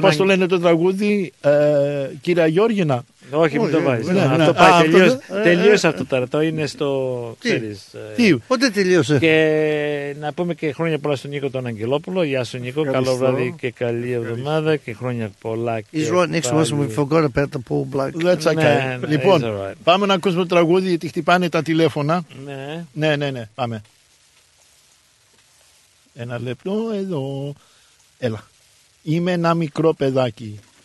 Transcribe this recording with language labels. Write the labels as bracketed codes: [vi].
[el] Πώς το λένε το τραγούδι, κυρία Γιώργινα. Όχι, μην το βάζεις. Αυτό πάει τελείως. Τελείωσε αυτό τώρα. Το είναι στο. Τι, πότε τελείωσε. Και να πούμε και χρόνια πολλά στον Νίκο τον Αγγελόπουλο. Γεια σου, Νίκο. Καλό βράδυ και καλή εβδομάδα και χρόνια πολλά. [en] He's right next to us and we forgot about the Paul Black. That's okay. [el] Λοιπόν, πάμε να ακούσουμε το τραγούδι γιατί χτυπάνε τα τηλέφωνα. Ναι. Ναι, ναι, ναι. Πάμε. Ένα λεπτό εδώ. Έλα. Είμαι ένα μικρό παιδάκι.